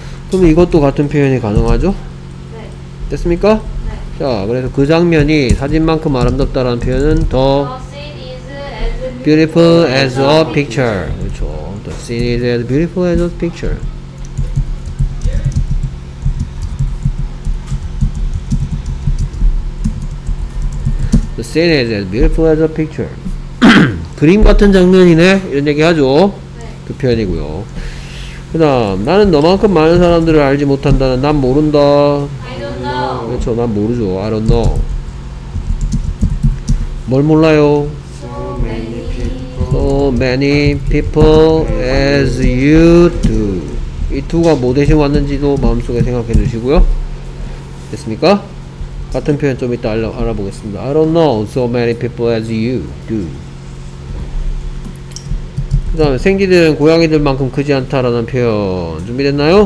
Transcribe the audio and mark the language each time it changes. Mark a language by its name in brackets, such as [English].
[Korean] 그럼 이것도 같은 표현이 가능하죠? 네. 됐습니까? 네. 자, 그래서 그 장면이 사진만큼 아름답다라는 표현은 더 [English] beautiful as a picture. [Korean] 그렇죠. [English] The scene is as beautiful as a picture. 세네즈 as beautiful as a picture. [Korean] 그림 같은 장면이네 이런 얘기하죠. 네. 그 표현이고요. 그다음 나는 너만큼 많은 사람들을 알지 못한다는 난 모른다. [English] I don't know. [Korean] 그렇죠. 난 모르죠. [English] I don't know. [Korean] 뭘 몰라요? [English] So many people, so many people as you do. [Korean] 이 두가 뭐 대신 왔는지도 마음속에 생각해 주시고요. 됐습니까? 같은 표현 좀 이따 알아보겠습니다. [English] I don't know so many people as you do. [Korean] 그 다음에 생쥐들은 고양이들만큼 크지 않다라는 표현 준비됐나요?